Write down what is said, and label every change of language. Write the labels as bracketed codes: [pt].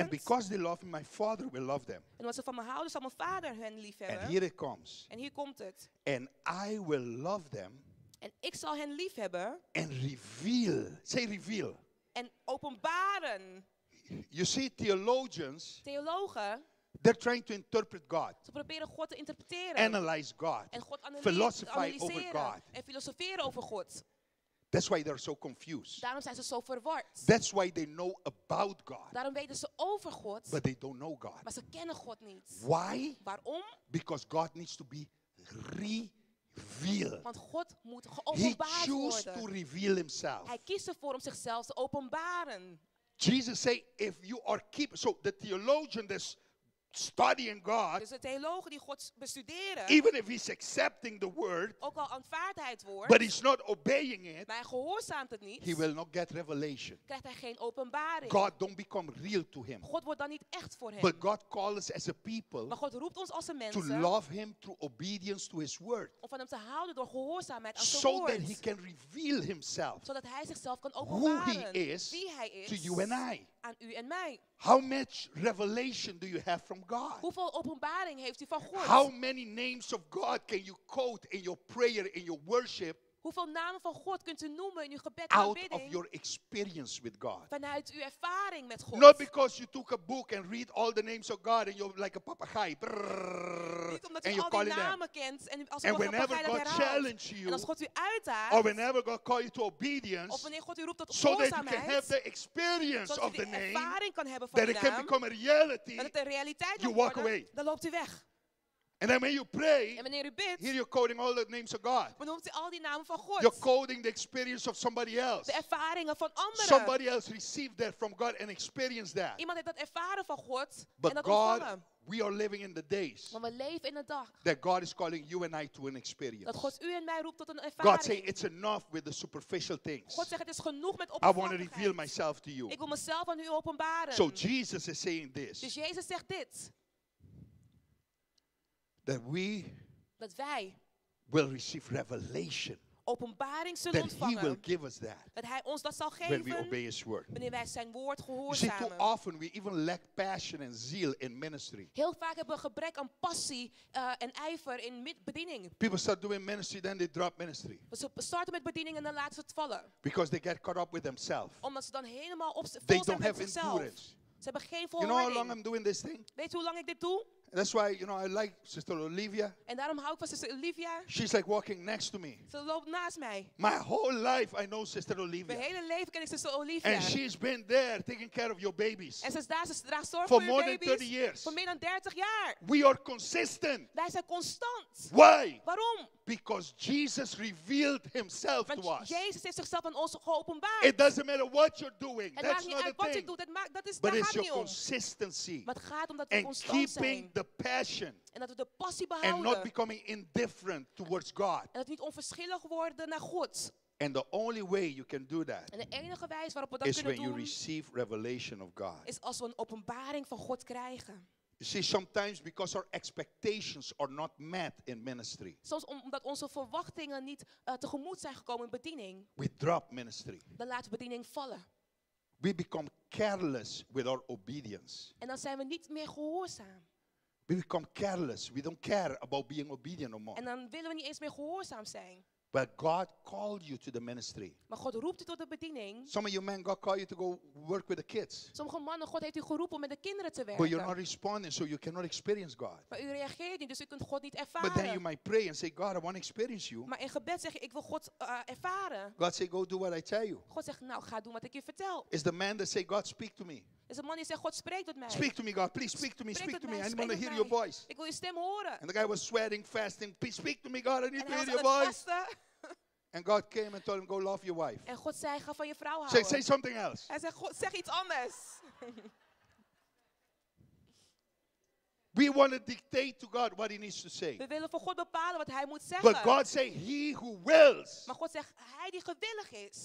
[en] And because they love me, my father will love them. [nl] En omdat ze van me houden, zal mijn vader hen lief hebben. [en] And here it comes. [nl] En hier komt het. [en] And I will love them. [nl] En ik zal hen lief hebben. [en] And reveal. Say reveal. [nl] En openbaren. [en] You see, theologians. [nl] Theologen. [en] They're trying to interpret God. [nl] Ze proberen God te interpreteren. [en] Analyze God. [nl] En God analyseren over God. En filosoferen over God. [en] That's why they're so confused. [nl] Daarom zijn ze zo verward. [en] That's why they know about God. [nl] Daarom weten ze over God. [en] But they don't know God. [nl] Maar ze kennen God niet. [en] Why? [nl] Waarom? [en] Because God needs to be revealed. [nl] Want God moet geopenbaard worden. [en] He chooses to reveal Himself. [nl] Hij kiest ervoor om zichzelf te openbaren. [en] Jesus say, if you are keep, so the theologian this. Studying God, [nl] dus de theologen die God bestuderen, [en] even if he's accepting the word, [nl] ook al aanvaardt hij het woord, [en] but he's not obeying it, [nl] maar hij gehoorzaamt het niet, [en] he will not get revelation. [nl] Krijgt hij geen openbaring. [en] God don't become real to him. [nl] God wordt dan niet echt voor hem. [en] But God calls us as a people, [nl] maar God roept ons als een mensen, [en] to love him through obedience to his word, [nl] om van hem te houden door gehoorzaamheid aan zijn [en] so [nl] woord, [en] that he can reveal himself, [nl] zodat hij zichzelf kan openbaren, [en] who he is, [nl] wie hij is, [en] to you and I. [nl] Aan u en mij. [en] How much revelation do you have from God? [nl] Hoeveel openbaring heeft u van God? [en] How many names of God can you quote in your prayer, in your worship? [nl] Hoeveel namen van God kunt u noemen in uw gebed en [en] out of your experience with God. [nl] Vanuit uw ervaring met God. [en] Not because you took a book and read all the names of God and you're like a papagaai. [nl] Niet omdat u al die namen kent en als [en] and whenever God challenge you, [nl] en als God u uitdaagt, [en] or whenever God call you to obedience, [nl] of wanneer God u roept tot gehoorzaamheid, [en] so that you can have the experience of the name, [nl] ervaring kan hebben van [en] that [nl] de [en] it can become a reality, [nl] dat het een realiteit [en] you walk away. [nl] Dan loopt u weg. [en] And then when you pray, [nl] en wanneer u bidt, [en] here you're quoting all the names of God. [nl] Benoemt u al die namen van God. [en] You're quoting the experience of somebody else. [nl] De ervaringen van anderen. [en] Somebody else received that from God and experienced that. [nl] Iemand heeft dat ervaren van God [en] but [nl] en dat [en] God, [nl] ontvangen. [en] We are living in the days. [nl] Maar we leven in de dag. [en] That God is calling you and I to an experience. [nl] Dat God u en mij roept tot een ervaring. [en] God say it's enough with the superficial things. [nl] God zegt het is genoeg met oppervlakkigheid. [en] I want to reveal myself to you. [nl] Ik wil mezelf aan u openbaren. [en] So Jesus is saying this. [nl] Dus Jezus zegt dit. [en] That we [nl] dat wij [en] will receive revelation. [nl] Openbaring zullen ontvangen. [en] That he will give us that. [nl] Dat hij ons dat zal geven. [en] When we obey his word. [nl] Wanneer wij zijn woord gehoorzamen. [en] You see, too often we even lack passion and zeal in ministry. [nl] Heel vaak hebben we gebrek aan passie en ijver in bediening. [en] People start doing ministry, then they drop ministry. [nl] Ze starten met bediening en dan laten ze het vallen. [en] Because they get caught up with themselves. [nl] Omdat ze dan helemaal vol [en] they [nl] zijn [en] don't [nl] met [en] have [nl] zichzelf. [en] Endurance. [nl] Ze hebben geen volharding. [en] You know how long I'm doing this thing? [nl] Weet u hoe lang ik dit doe? [en] And that's why, you know, I like Sister Olivia. [nl] En daarom hou ik van Sister Olivia. [en] She's like walking next to me. [nl] Ze loopt naast mij. [en] My whole life I know Sister Olivia. [nl] Mijn hele leven ken ik Sister Olivia. [en] And she's been there taking care of your babies. [nl] En ze is daar, ze draagt zorg voor je baby's. [en] For more than 30 years. [nl] Voor meer dan 30 jaar. [en] We are consistent. [nl] Wij zijn constant. [en] Why? [nl] Waarom? [en] Because Jesus revealed himself [nl] Want [en] to us. [nl] Jezus heeft zichzelf aan ons geopenbaard. [en] It doesn't matter what you're doing. [nl] Het [en] That's not the thing. [nl] Het maakt niet uit wat je doet. Dat is [en] But [nl] daar [en] it's your consistency. [nl] Maar het gaat om dat we constant zijn. [en] The passion [nl] en dat we de passie behouden [en] and not becoming indifferent towards God. [nl] En dat we niet onverschillig worden naar God. [en] And the only way you can do that [nl] en de enige wijze waarop we dat [en] is [nl] kunnen [en] when [nl] doen [en] you receive revelation of God. [nl] Is als we een openbaring van God krijgen. [en] You see, sometimes because our expectations are not met in ministry. [nl] Soms omdat onze verwachtingen niet tegemoet zijn gekomen in bediening. [en] We drop ministry. [nl] Dan laten we bediening vallen. [en] We become careless with our obedience. [nl] En dan zijn we niet meer gehoorzaam. [en] We become careless. We don't care about being obedient no more. [nl] En dan willen we niet eens meer gehoorzaam zijn. [en] But God called you to the ministry. [nl] Maar God roept u tot de bediening. [en] Some of you men, God called you to go work with the kids. [nl] Sommige mannen, God heeft u geroepen om met de kinderen te werken. [en] But you're not responding, so you cannot experience God. [nl] Maar u reageert niet, dus u kunt God niet ervaren. [en] But then you might pray and say, God, I want to experience you. [nl] Maar in gebed zeg je, ik wil God ervaren. [en] God say, go do what I tell you. [nl] God zegt, nou, ga doen wat ik je vertel. [en] Is the man that say, God, speak to me. [nl] Is een man die zegt, God spreekt tot mij. [en] Speak to me, God, please speak to me, speak to me. I want to hear your voice. [nl] Ik wil je stem horen. [en] And the guy was sweating, fasting. Please speak to me, God, I need to hear your voice. [nl] Vasten. [en] And God came and told him, go love your wife. [nl] En God zei, ga van je vrouw houden. [en] Say something else. [nl] Hij zei, God, zeg iets anders. [en] We want to dictate to God what he needs to say. [nl] We willen voor God bepalen wat hij moet zeggen. [en] But God say he who wills. [nl] Maar God zegt hij die gewillig is.